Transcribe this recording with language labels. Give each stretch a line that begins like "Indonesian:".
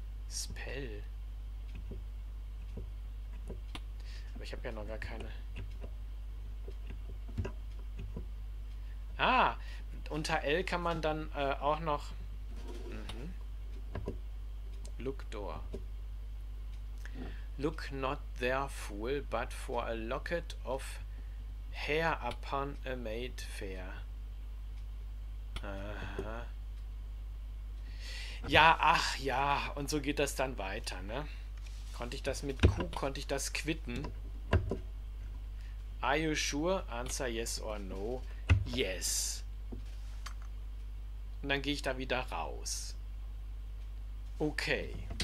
English: Spell.
German: Aber ich habe ja noch gar keine. Ah, unter L kann man dann auch noch.
English: Mhm. Look door. Look not there, fool, but for a locket of hair upon a maid fair. Aha.
German: Ja, ach ja, und so geht das dann weiter, ne? Konnte ich das mit Q, konnte ich das quitten?
English: Are you sure? Answer yes or no. Yes.
German: Und dann gehe ich da wieder raus. Okay.